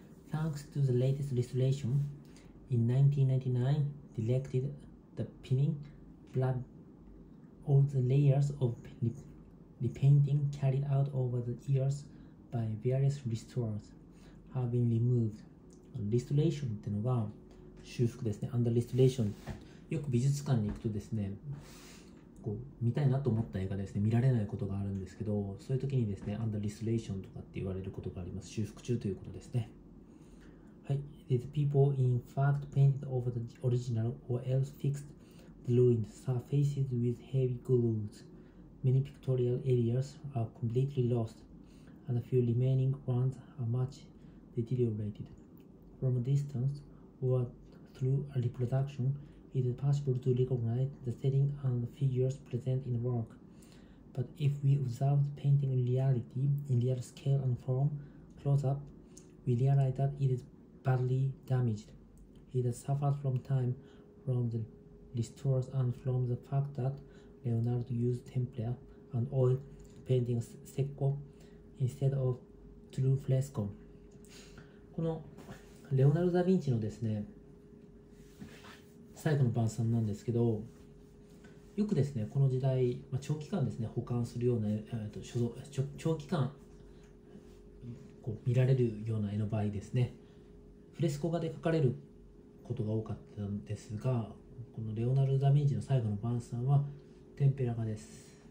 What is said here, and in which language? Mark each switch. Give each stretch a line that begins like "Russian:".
English: Thanks to the latest restoration, in 1999, directed the pinning, blood all the layers of The painting carried out over the years by various restorers have been removed.
Japanese: Restoration ってのが修復ですね。
English: Under restoration。
Japanese: よく美術館に行くとですね、こう見たいなと思った映画ですね、見られないことがあるんですけど、そういう時にですね、
English: Under restoration
Japanese: とかって言われることがあります。修復中ということですね。はい。
English: The people in fact painted over the original or else fixed the ruined surfaces with heavy glues. Many pictorial areas are completely lost, and a few remaining ones are much deteriorated. From a distance, or through a reproduction, it is possible to recognize the setting and the figures present in the work. But if we observe the painting in reality, in real scale and form, close up, we realize that it is badly damaged. It has suffered from time, from the restores, and from the fact that Leonardo used tempera and oil painting secco instead of true fresco.
Japanese: このレオナルド・ダ・ヴィンチのですね、最後の晩餐なんですけど、よくですね、この時代、まあ、長期間ですね、保管するような、長期間こう見られるような絵の場合ですね、フレスコ画で描かれることが多かったんですが、このレオナルド・ダ・ヴィンチの最後の晩餐はテンペラ画です。